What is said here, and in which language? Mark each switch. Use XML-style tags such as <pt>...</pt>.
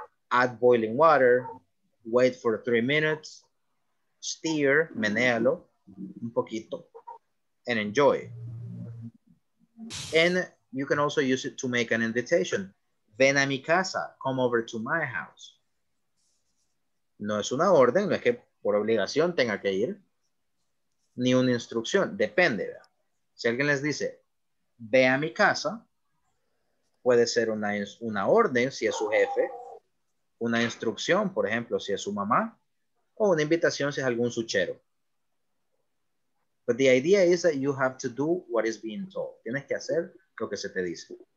<en>Add boiling water, wait for 3 minutes, steer,</en> <es>menealo, un poquito,</es> <en>and enjoy. And you can also use it to make an invitation. Ven a mi casa, come over to my house.</en> <es>No es una orden, no es que por obligación tenga que ir, ni una instrucción, depende. Si alguien les dice, ve a mi casa, puede ser una orden si es su jefe, una instrucción, por ejemplo, si es su mamá, o una invitación si es algún suchero.</es> <en>But the idea is that you have to do what is being told.</en> <es>Tienes que hacer lo que se te dice.</es>